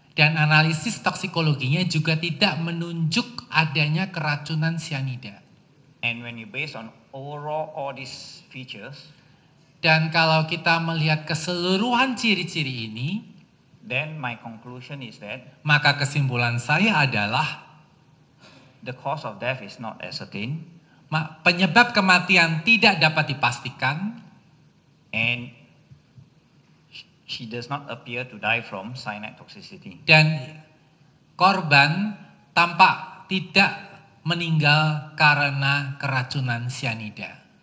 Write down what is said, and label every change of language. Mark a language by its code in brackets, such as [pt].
[id] Dan analisis toksikologinya juga tidak menunjuk adanya keracunan sianida. [en] And when you base on overall all these features, [id] dan kalau kita melihat keseluruhan ciri-ciri ini, [en] then my conclusion is that, [id] maka kesimpulan saya adalah [en] the cause of death is not ascertained. [id] Penyebab kematian tidak dapat dipastikan, [en] and she does not appear to die from cyanide toxicity. [id] Dan korban tampak tidak meninggal karena keracunan sianida.